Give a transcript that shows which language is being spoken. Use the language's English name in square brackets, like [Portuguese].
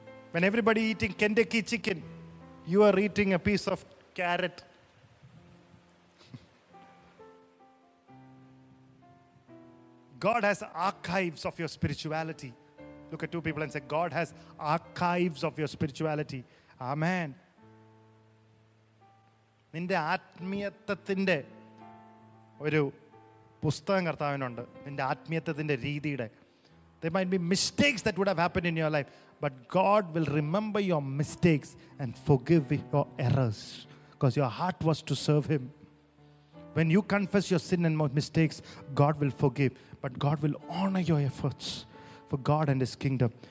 [English] When everybody eating Kentucky chicken, you are eating a piece of carrot. God has archives of your spirituality. Look at two people and say, God has archives of your spirituality. Amen. [Malayalam] നിന്റെ ആത്മീയത്വത്തിന്റെ ഒരു പുസ്തകം കർത്താവിനുണ്ട്. നിന്റെ ആത്മീയത്വത്തിന്റെ രീതിയുടെ. [English] There might be mistakes that would have happened in your life, but God will remember your mistakes and forgive your errors, because your heart was to serve him. When you confess your sin and mistakes, God will forgive. But God will honor your efforts for God and his kingdom.